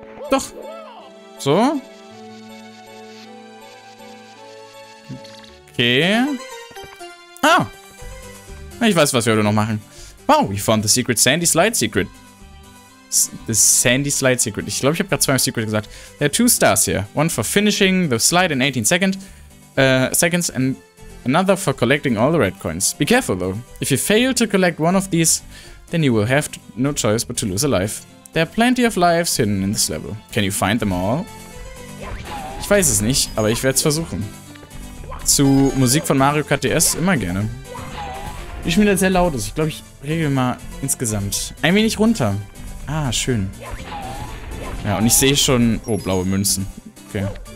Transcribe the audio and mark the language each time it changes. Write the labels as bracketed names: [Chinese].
[German] Doch. So? Okay. Ah! Ich weiß, was wir heute noch machen. [English] Wow, we found the secret Sandy Slide Secret. The Sandy Slide Secret. [German] Ich glaube, ich habe gerade zweimal Secret gesagt. [English] There are two stars here. One for finishing the slide in 18 seconds and another for collecting all the red coins. Be careful, though. If you fail to collect one of these, then you will have no choice but to lose a life. There are plenty of lives hidden in this level. Can you find them all? [German] Ich weiß es nicht, aber ich werde es versuchen. Zu Musik von Mario Kart DS immer gerne. Ich bin da sehr laut, ist. Ich glaube, ich regel mal insgesamt ein wenig runter. Ah, schön. Ja, und ich sehe schon... Oh, blaue Münzen. Okay.